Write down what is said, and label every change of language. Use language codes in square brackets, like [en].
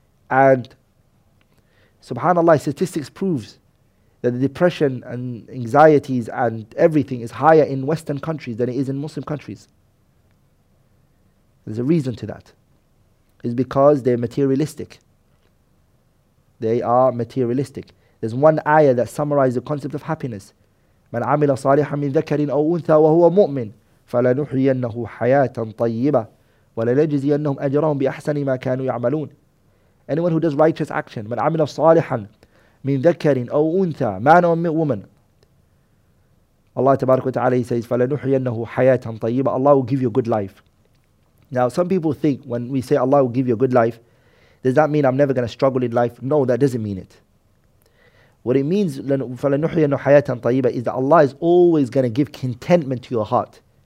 [en] And subhanAllah, statistics proves that the depression and anxieties and everything is higher in Western countries than it is in Muslim countries. There's a reason to that. It's because they're materialistic. They are materialistic. There's one ayah that summarizes the concept of happiness. [ar] مَنْ عَمِلَ صَالِحًا مِنْ ذَكَرٍ أَوْ أُنْثَى وَهُوَ مُؤْمِنٍ فَلَنُحْيِيَنَّهُ حَيَاةً طَيِّبَةً وَلَنَجْزِيَنَّهُمْ أَجْرَهُمْ بِأَحْسَنِ مَا كَانُوا يَعْمَلُونَ [en] Anyone who does righteous action, [ar] مَنْ عَمِلَ صَالِحًا مِنْ ذَكَرٍ أَوْ أُنْثَى مَنْ عَمِلَ woman. [en] Allah تبارك وتعالى says, [ar] فَلَنُحْيِيَنَّهُ حَيَاةً طَيِّبَةً [en] Allah will give you a good life. Now, some people think when we say Allah will give you a good life, does that mean I'm never going to struggle in life? No, that doesn't mean it. What it means, [ar] فَلَنُحْيِيَنَّهُ حَيَاةً طَيِّبَةً [en] is that Allah is always going to give contentment to your heart.